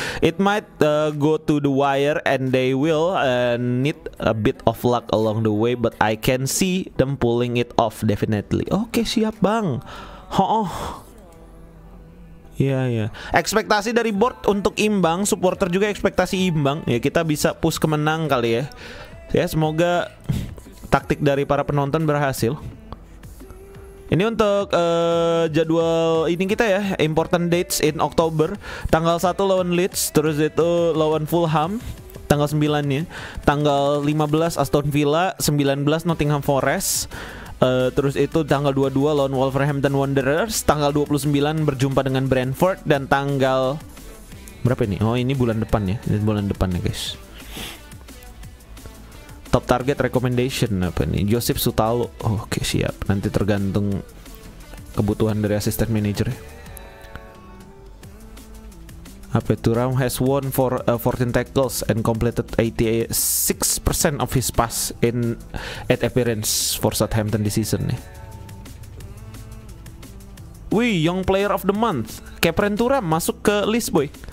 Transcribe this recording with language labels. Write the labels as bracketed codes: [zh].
[en] It might go to the wire and they will need a bit of luck along the way, but I can see them pulling it off definitely. [id] Oke, okay, siap bang. Ho-oh. Ya ya. Ekspektasi dari board untuk imbang, supporter juga ekspektasi imbang. Ya kita bisa push kemenang kali ya. Ya semoga taktik dari para penonton berhasil. Ini untuk jadwal ini kita ya, [en] important dates in October. [id] Tanggal 1 lawan Leeds, terus itu lawan Fulham tanggal 9-nya. Tanggal 15 Aston Villa, 19 Nottingham Forest. Terus itu tanggal 22 lawan Wolverhampton Wanderers, tanggal 29 berjumpa dengan Brentford, dan tanggal berapa ini? Oh, ini bulan depan ya. Ini bulan depan ya, guys. [en] Top target recommendation [id] apa nih? Josip Sutalo. Oke, siap. Nanti tergantung kebutuhan dari asisten manager. Apa itu? [en] Ram has won for 14 tackles and completed 86% of his pass in 8 appearance for Southampton this season [id] nih. Wih, [en] young player of the month. [id] Kepren Turam masuk ke list, boy.